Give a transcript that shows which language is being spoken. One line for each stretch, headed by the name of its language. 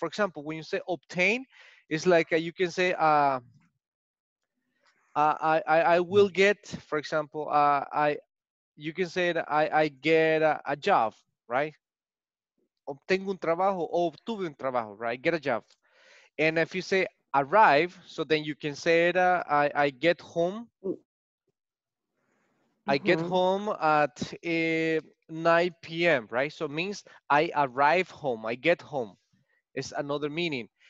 English: For example, when you say obtain, it's like you can say I will get, for example, you can say I get a job, right?
Spanish: Obtengo un trabajo o obtuve un trabajo, right?
English: Get a job. And if you say arrive, so then you can say I get home. I get home at 9 p.m., right? So it means I arrive home, I get home. It's another meaning.